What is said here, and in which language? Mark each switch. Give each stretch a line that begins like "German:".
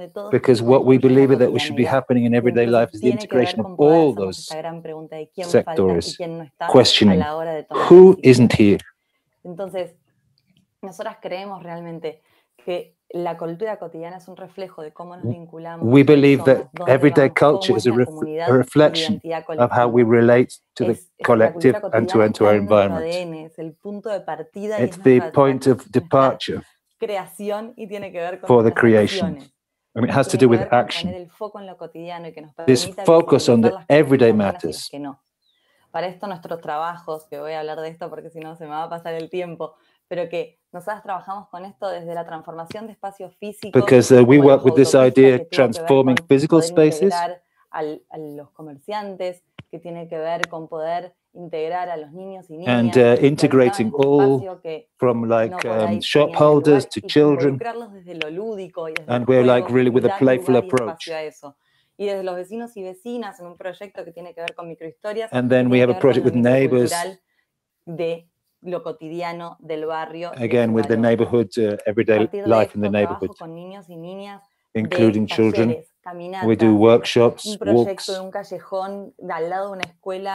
English: Because what we believe is that we should be happening in everyday life is the integration of all those sectors. Questioning, who isn't here?
Spanish: Entonces, nosotras creemos realmente que la cultura cotidiana es un reflejo de cómo nos vinculamos.
English: We believe that everyday culture is a reflection of how we relate to the collective and to our environment.
Spanish: Es el punto de partida,
English: it's the point of departure
Spanish: creación y tiene que ver con
English: for the creation. I mean, it has to do with action.
Spanish: El foco en lo cotidiano y que nos permita
English: this focus on the everyday matters.
Spanish: Para esto nuestros trabajos, que voy a hablar de esto porque si no se me va a pasar el tiempo, pero que nosotros trabajamos con esto desde la transformación de espacios físicos.
English: Because we work with this idea transforming physical spaces.
Spanish: A los comerciantes, que tiene que ver con poder integrar a los niños y niñas.
English: And integrating all from like shop holders to children. And we're like really with a playful approach.
Spanish: Y desde los vecinos y vecinas en un proyecto que tiene que ver con microhistorias.
English: And then we have a project with neighbors
Spanish: de lo cotidiano del barrio.
English: Again with the neighborhood everyday life in the neighborhood.
Spanish: Con niños y niñas,
English: including children. We do workshops, walks.
Spanish: Un callejón al lado de una escuela.